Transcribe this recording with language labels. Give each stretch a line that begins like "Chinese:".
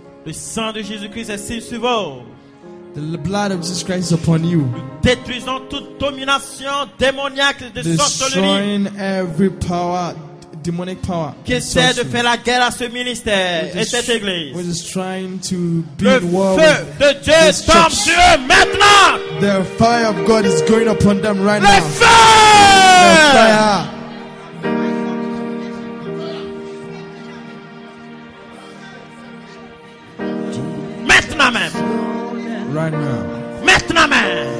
French: Le sang de Jésus Christ est sur vous.
English: The blood of Jesus Christ is upon you.
French: Détruisons toute domination démoniaque de sorcellerie.
English: Destroying every power, demonic power.
French: Qui essaie de faire la guerre à ce ministère et cette église.
English: We're just trying to build war.
French: Le feu de Dieu tombe sur eux maintenant.
English: The fire of God is going upon them right now.
French: Le feu!
English: The fire.
French: Maintenant même.
English: Right now.
French: Maintenant même.